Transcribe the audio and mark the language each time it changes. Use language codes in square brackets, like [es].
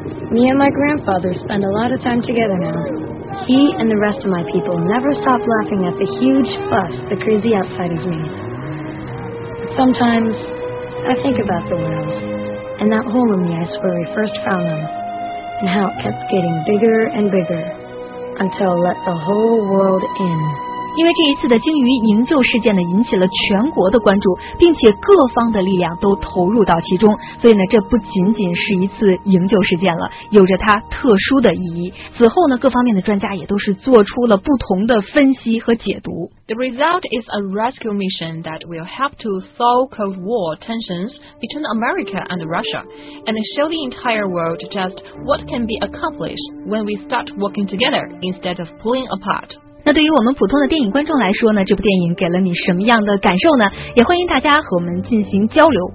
[en] Me and my grandfather spend a lot of time together now. He and the rest of my people never stop laughing at the huge fuss the crazy outside has made. Sometimes I think about the whales and that hole in the ice where we first found them and how it kept getting bigger and bigger until it let the whole world in. [zh] 因为这一次的鲸鱼营救事件呢，引起了全国的关注，并且各方的力量都投入到其中，所以呢，这不仅仅是一次营救事件了，有着它特殊的意义。此后呢，各方面的专家也都是做出了不同的分析和解读。 [en] The result is a rescue mission that will help to solve Cold War tensions between America and Russia, and show the entire world just what can be accomplished when we start working together instead of pulling apart. [zh] 那对于我们普通的电影观众来说呢，这部电影给了你什么样的感受呢？也欢迎大家和我们进行交流。